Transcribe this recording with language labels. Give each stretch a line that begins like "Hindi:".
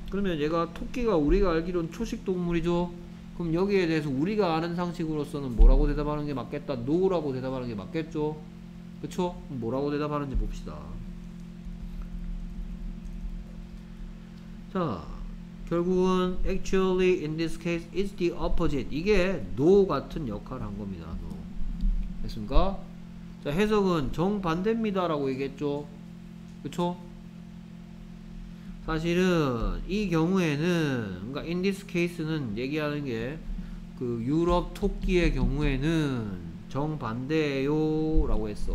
Korean: 그러면 얘가 토끼가 우리가 알기론 초식 동물이죠? 그럼 여기에 대해서 우리가 아는 상식으로서는 뭐라고 대답하는 게 맞겠다? no라고 대답하는 게 맞겠죠? 그쵸? 그럼 뭐라고 대답하는지 봅시다. 자, 결국은
English: actually in this case is the opposite.
Korean: 이게 no 같은 역할을 한 겁니다. no. 됐습니까? 자, 해석은 정반대입니다라고 얘기했죠. 그쵸? 사실은 이 경우에는, 그러니까
English: in this case
Korean: 는 얘기하는 게 그 유럽 토끼의 경우에는 정반대예요 라고 했어.